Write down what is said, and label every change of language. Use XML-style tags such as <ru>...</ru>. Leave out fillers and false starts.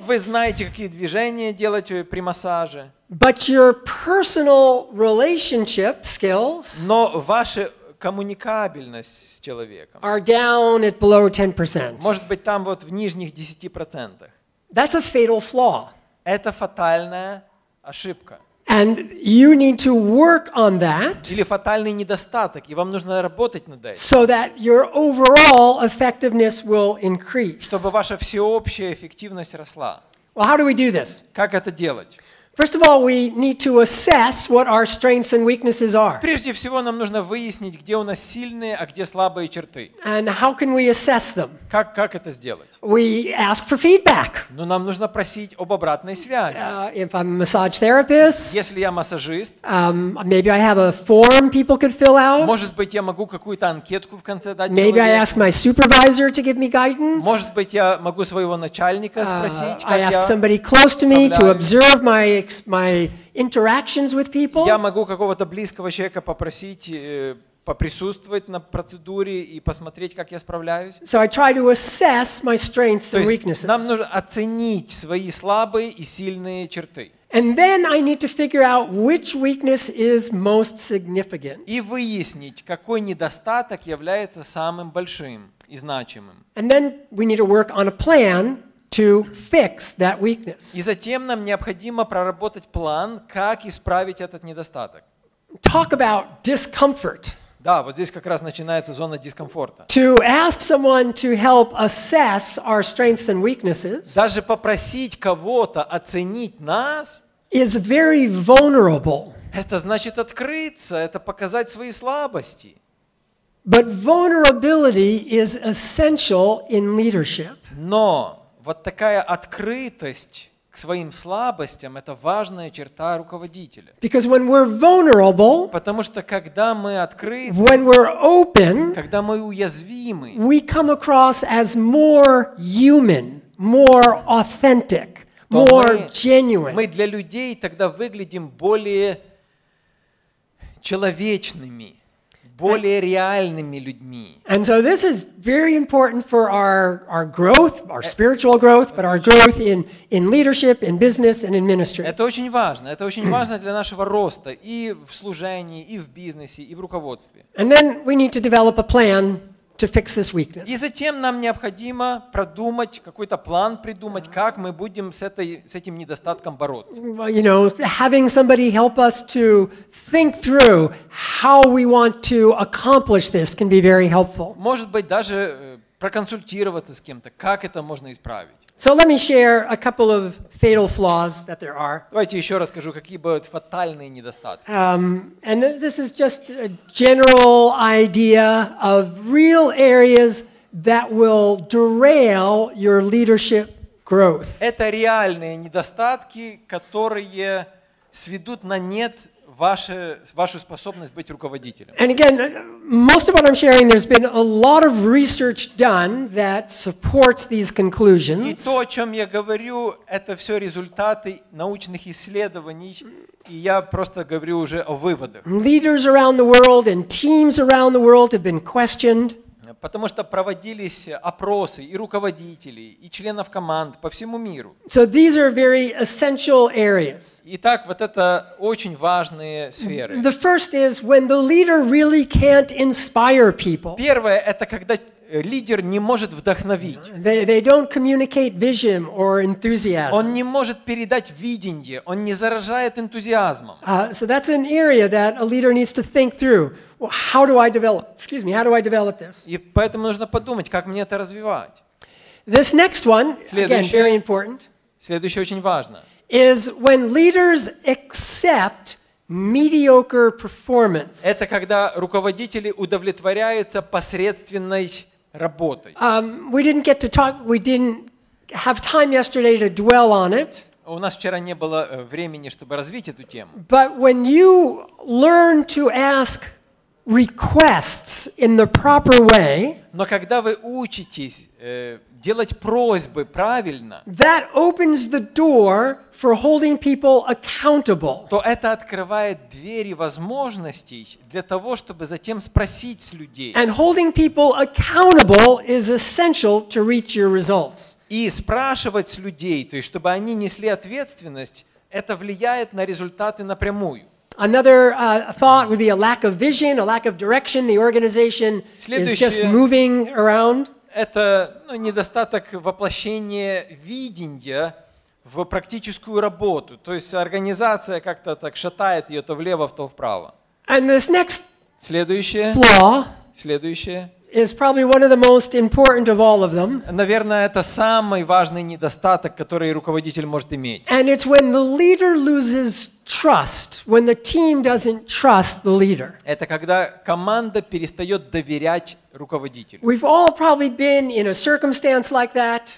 <ru>Вы знаете, какие движения делать при массаже.</ru> <en>But your personal relationship skills.</en> <ru>Но ваша коммуникабельность с человеком.</ru> <en>Are down at below 10%.</en> <ru>Может быть, там вот в нижних 10%.</ru> <en>That's a fatal flaw.</en> <ru>Это фатальная ошибка.</ru> <en>And you need to work on that.</en> <ru>Или фатальный недостаток, и вам нужно работать над этим.</ru> <en>So that your overall effectiveness will increase.</en> <ru>Чтобы ваша всеобщая эффективность росла.</ru> <en>Well, how do we do this?</en> <ru>Как это делать?</ru> <en>First of all, we need to assess what our strengths and weaknesses are.</en> <ru>Прежде всего, нам нужно выяснить, где у нас сильные, а где слабые черты.</ru> <en>And how can we assess them?</en> <ru>Как это сделать?</ru> <en>We ask for feedback.</en> <ru>Но нам нужно просить об обратной связи.</ru> <en>If I'm a massage therapist,</en> <ru>если я массажист,</ru> <en>maybe I have a form people could fill out.</en> <ru>Может быть, я могу какую-то анкетку в конце дать человеку.</ru> <en>Maybe I ask my supervisor to give me guidance.</en> <ru>Может быть, я могу своего начальника спросить, как</ru> <en>я. I ask somebody close to me to observe my interactions with people.</en> <ru>Я могу какого-то близкого человека попросить поприсутствовать на процедуре и посмотреть, как я справляюсь.</ru> <en>So I try to assess my strengths and weaknesses.</en> <ru>Нам нужно оценить свои слабые и сильные черты.</ru> <en>And then I need to figure out which weakness is most significant.</en> <ru>И выяснить, какой недостаток является самым большим и значимым.</ru> <en>And then we need to work on a plan to fix that weakness.</en> <ru>И затем нам необходимо проработать план, как исправить этот недостаток.</ru> <en>Talk about discomfort.</en> <ru>Да, вот здесь как раз начинается зона дискомфорта.</ru> <en>To ask someone to help assess our strengths and weaknesses.</en> <ru>Даже попросить кого-то оценить нас.</ru> <en>Is very vulnerable.</en> <ru>Это значит открыться, это показать свои слабости.</ru> <en>But vulnerability is essential in leadership.</en> <ru>Но вот такая открытость к своим слабостям — это важная черта руководителя.</ru> <en>Because when we're vulnerable,</en> <ru>потому что когда мы открыты,</ru> <en>when we're open,</en> <ru>когда мы уязвимы,</ru> <en>we come across as more human, more authentic, more genuine.</en> <ru>Мы для людей тогда выглядим более человечными, более реальными людьми.</ru> <en>And so this is very important for our growth, our spiritual growth, but our growth in leadership, in business, and in ministry.</en> <ru>Это очень важно. Это очень важно для нашего роста и в служении, и в бизнесе, и в руководстве.</ru> <en>And then we need to develop a plan to fix this weakness.</en> <ru>И затем нам необходимо продумать какой-то план, придумать, как мы будем с этим недостатком бороться.</ru> <en>You know, having somebody help us to think through how we want to accomplish this can be very helpful.</en> <ru>Может быть, даже проконсультироваться с кем-то, как это можно исправить.</ru> <en>So let me share a couple of fatal flaws that there are.</en> <ru>Давайте еще расскажу, какие бывают фатальные недостатки.</ru> <en>And this is just a general idea of real areas that will derail your leadership growth.</en> <ru>Это реальные недостатки, которые сведут на нет вашу способность быть руководителем.</ru> <en>And again, most of what I'm sharing, there's been a lot of research done that supports these conclusions.</en> <ru>И то, о чем я говорю, это все результаты научных исследований, и я просто говорю уже о выводах.</ru> <en>Leaders around the world and teams around the world have been questioned.</en> <ru>Потому что проводились опросы и руководителей, и членов команд по всему миру.</ru> <en>So these are very essential areas.</en> <ru>Итак, вот это очень важные сферы.</ru> <en>The first is when the leader really can't inspire people.</en> <ru>Первое – это когда лидер не может вдохновить.</ru> <en>They don't communicate vision or enthusiasm.</en> <ru>Он не может передать видение, он не заражает энтузиазмом.</ru> <en>So that's an area that a leader needs to think through. How do I develop? Excuse me. How do I develop this?</en> <ru>И поэтому нужно подумать, как мне это развивать.</ru> <en>This next one, again, very important.</en> <ru>Следующее очень важно.</ru> <en>Is when leaders accept mediocre performance.</en> <ru>Это когда руководители удовлетворяются посредственной работой.</ru> <en>We didn't get to talk, we didn't have time yesterday to dwell on it.</en> <ru>У нас вчера не было времени, чтобы развить эту тему.</ru> <en>But when you learn to ask requests in the proper way,</en> <ru>но когда вы учитесь делать просьбы правильно,</ru> <en>that opens the door for holding people accountable.</en> <ru>То это открывает двери возможностей для того, чтобы затем спросить с людей.</ru> <en>And holding people accountable is essential to reach your results.</en> <ru>И спрашивать с людей, то есть чтобы они несли ответственность, это влияет на результаты напрямую.</ru> <en>Another thought would be a lack of vision, a lack of direction. The organization</en> <ru>Следующее,</ru> <en>is just moving around.</en> <ru>Это ну, недостаток воплощения видения в практическую работу. То есть организация как-то так шатает ее то влево, то вправо.</ru> <en>And this next</en> <ru>Следующее,</ru> <en>flaw.</en> <ru>Следующее.</ru> <en>Is probably one of the most important of all of them.</en> <ru>Наверное, это самый важный недостаток, который руководитель может иметь.</ru> <en>And it's when the leader loses trust, when the team doesn't trust the leader.</en> <ru>Это когда команда перестает доверять руководителю.</ru> <en>We've all probably been in a circumstance like that.</en>